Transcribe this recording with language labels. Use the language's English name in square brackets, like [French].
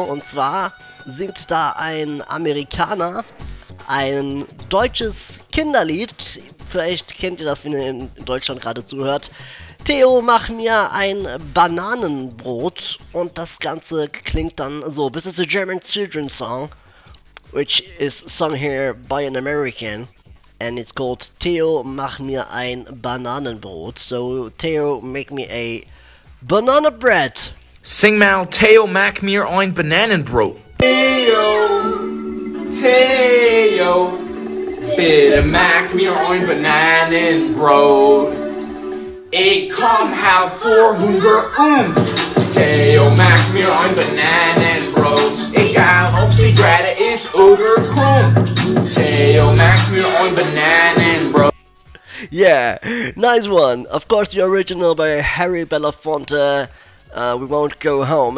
[German] Und zwar singt da ein Amerikaner ein deutsches Kinderlied. Vielleicht kennt ihr das, wenn ihr in Deutschland gerade zuhört. Theo, mach mir ein Bananenbrot, und das Ganze klingt dann so. [English] This is a German children's song, which is sung here by an American, and it's called [German] Theo, mach mir ein Bananenbrot. [English] So, Theo, make me a banana bread. [German] Sing mal, Theo, mach mir ein Bananenbrot. Theo, Theo, bitte mach mir ein Bananenbrot. Ich komm halt vor Hunger Theo, mach mir ein Bananenbrot. Egal ob sie gerade ist oder krumm. Theo, mach mir ein Bananenbrot. [English] Yeah, nice one. Of course, the original by Harry Belafonte, We Won't Go Home.